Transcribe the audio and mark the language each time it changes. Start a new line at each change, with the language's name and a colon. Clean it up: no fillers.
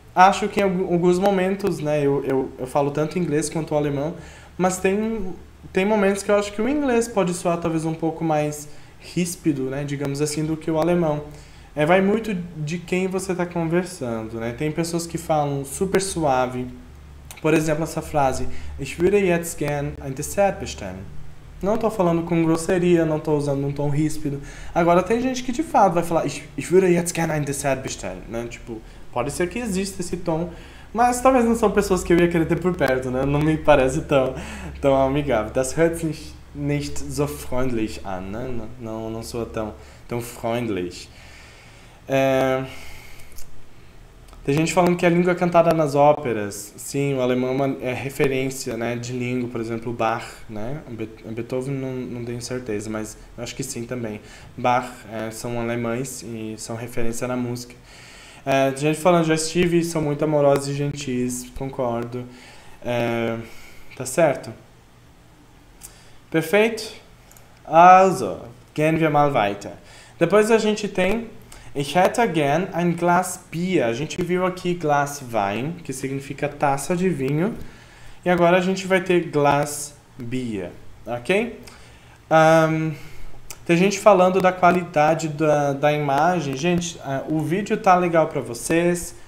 Portuguese: Acho que em alguns momentos, né, eu falo tanto inglês quanto o alemão, mas tem momentos que eu acho que o inglês pode soar talvez um pouco mais ríspido, né, digamos assim, do que o alemão. É, vai muito de quem você está conversando, né? Tem pessoas que falam super suave.
German: Por exemplo, essa frase, Ich würde jetzt gern ein Dessert bestellen.
Portuguese: Não estou falando com grosseria, não estou usando um tom ríspido. Agora, tem gente que de fato vai falar Ich würde jetzt gern ein Dessert bestellen, né? Tipo, pode ser que exista esse tom, mas talvez não são pessoas que eu ia querer ter por perto, né? Não me parece tão amigável.
German: Das hört sich nicht so freundlich an, né?
Portuguese: Não, não soa tão freundlich. Tem gente falando que a língua é cantada nas óperas. Sim, o alemão é referência, né, de língua, por exemplo, Bach, né? Beethoven não tenho certeza, mas eu acho que sim também. Bach, são alemães e são referência na música. Gente falando, já estive, são muito amorosos e gentis, concordo. Tá certo? Perfeito? Also, gehen wir mal weiter. Depois a gente tem,
German: Ich hätte gern ein Glas Bier.
Portuguese: A gente viu aqui Glas Wein, que significa taça de vinho. E agora a gente vai ter Glas Bier, ok? Tem gente falando da qualidade da imagem. Gente, o vídeo tá legal para vocês.